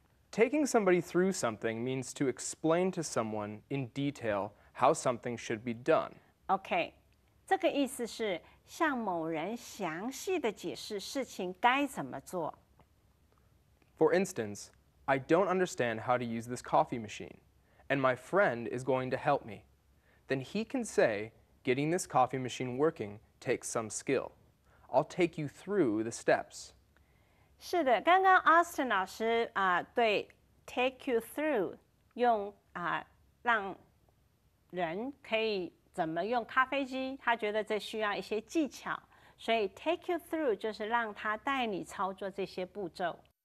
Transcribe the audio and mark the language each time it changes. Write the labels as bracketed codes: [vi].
[en] Taking somebody through something means to explain to someone in detail how something should be done. [zh] Okay, 这个意思是向某人详细地解释事情该怎么做。 [en] For instance, I don't understand how to use this coffee machine, and my friend is going to help me. Then he can say, getting this coffee machine working take some skill. I'll take you through the steps. [zh] 是的，刚刚 Austin 老师对 take you through 用让人可以怎么用咖啡机，他觉得这需要一些技巧，所以 take you through 就是让他带你操作这些步骤。